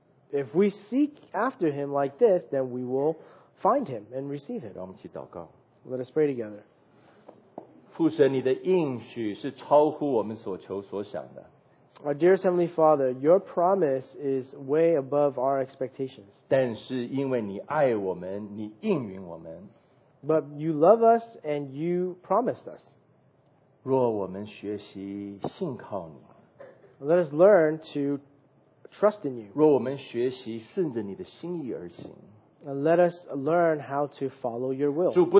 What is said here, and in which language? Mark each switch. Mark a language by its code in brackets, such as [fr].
[en] If we seek after him like this, then we will find him and receive him. Let us pray together. [zh] 父神，你的应许是超乎我们所求所想的。 [en] Our dearest Heavenly Father, your promise is way above our expectations. [zh] 但是因为你爱我们，你应允我们。 [en] But you love us and you promised us. [zh] 若我们学习信靠你。 [en] Let us learn to trust in you. [zh] 若我们学习顺着你的心意而行。 [en] Let us learn how to follow your will.